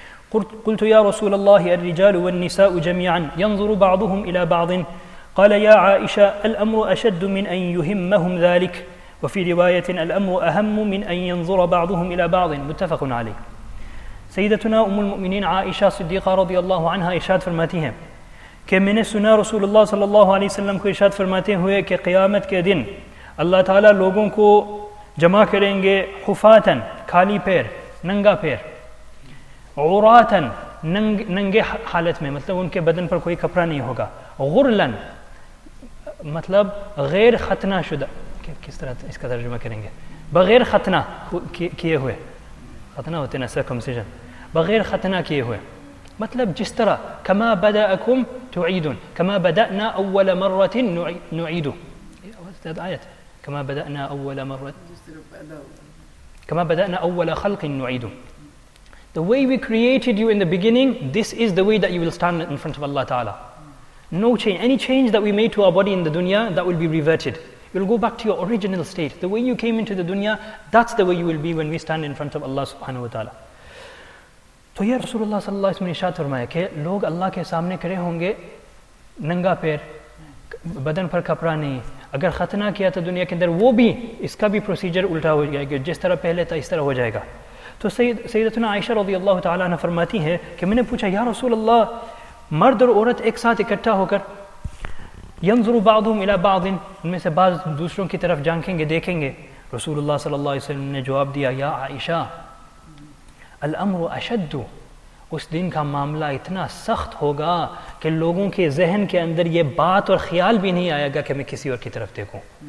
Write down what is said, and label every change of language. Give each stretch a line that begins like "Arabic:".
Arabic: قلت يا رسول الله الرجال والنساء جميعا ينظر بعضهم إلى بعض. قال يا عائشة الأمر أشد من أن يهمهم ذلك. وفي رواية الأمر أهم من أن ينظر بعضهم إلى بعض. متفق عليه.
Urdu: سیدتنا ام المؤمنین عائشہ صدیقہ رضی اللہ عنہ ارشاد فرماتی ہیں کہ میں نے سنا رسول اللہ صلی اللہ علیہ وسلم کو ارشاد فرماتے ہوئے کہ قیامت کے دن اللہ تعالیٰ لوگوں کو جمع کریں گے خفاتن، کھالی پیر، ننگا پیر، عوراتن، ننگے حالت میں، مطلب ان کے بدن پر کوئی کپڑا نہیں ہوگا، غرلن، مطلب غیر ختنہ شدہ، کس طرح اس کا ترجمہ کریں گے، بغیر ختنہ کیے ہوئے، ختنہ ہوتے ہیں سرکمسیجن، بغیر ختنہ کیے ہوئے، مطلب جس طرح
Arabic: کما بدأکم تعیدون، کما بدأنا اول مرة نعیدو،
Urdu: آیت کما بدأنا اول مرة، کما بدأنا اول خلق نعیدو.
English: The way we created you in the beginning, this is the way that you will stand in front of Allah Ta'ala. No change. Any change that we made to our body in the dunya, that will be reverted. You'll go back to your original state. The way you came into the dunya, that's the way you will be when we stand in front of Allah Subhanahu Wa Ta'ala.
Urdu: تو یہ رسول اللہ صلی اللہ علیہ وسلم نے ارشاد فرمایا کہ لوگ اللہ کے سامنے کھڑے ہوں گے ننگا پیر، بدن پر کپڑا نہیں، اگر ختنہ کیا تو دنیا کے اندر وہ بھی اس کا بھی پروسیجر الٹا ہو جائے گا، جس طرح پہلے تھا اس طرح ہو جائے گا. تو سیدتنا عائشہ رضی اللہ تعالیٰ عنہ فرماتی ہے کہ میں نے پوچھا یا رسول اللہ، مرد اور عورت ایک ساتھ اکٹھا ہو کر،
Arabic: ينظر بعضهم الى بعض،
Urdu: ان میں سے بعض دوسروں کی طرف جھانکیں گے، دیکھیں گے، رسول اللہ صلی اللہ علیہ وسلم نے جواب دیا،
Arabic: یا عائشہ، الامر اشد،
Urdu: اس دن کا معاملہ اتنا سخت ہوگا کہ لوگوں کے ذہن کے اندر یہ بات اور خیال بھی نہیں آئے گا کہ میں کسی اور کی طرف دیکھوں.